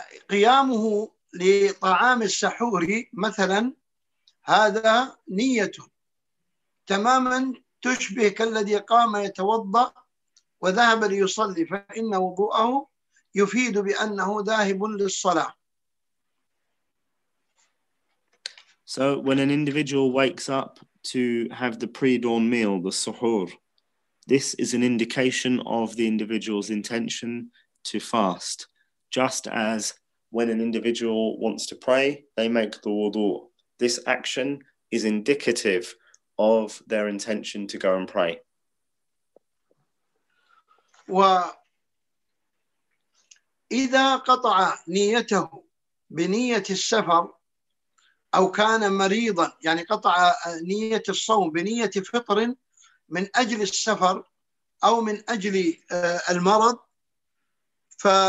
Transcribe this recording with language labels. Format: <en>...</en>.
<ar>قيامه لطعام السحور مثلا هذا نيته تماما تشبه كالذي قام يتوضأ وذهب ليصلي فإن وضوءه يفيد بأنه ذاهب للصلاة.</ar> <en>So when an individual wakes up to have the pre-dawn meal, the suhoor, this is an indication of the individual's intention to fast. Just as when an individual wants to pray, they make the wudu. This action is indicative of their intention to go and pray.</en> <ar>وإذا قطع نيته بنية السفر أو كان مريضا يعني قطع نية الصوم بنية فطر من أجل السفر أو من أجل المرض ف</ar>